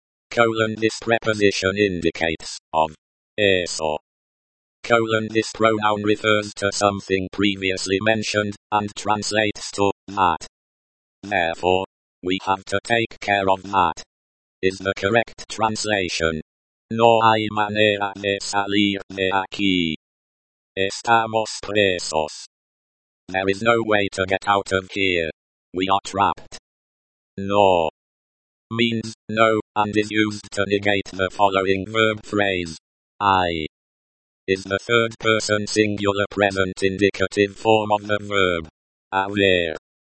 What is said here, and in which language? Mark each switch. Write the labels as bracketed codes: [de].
[en] Colon this preposition indicates of. Eso. Colon this pronoun refers to something previously mentioned, and translates to that. Therefore, we have to take care of that, is the correct translation. [es] No hay manera de salir de aquí. Estamos presos. [en] There is no way to get out of here. We are trapped. No. Means no, and is used to negate the following verb phrase. I. Is the third person singular present indicative form of the verb. Haber.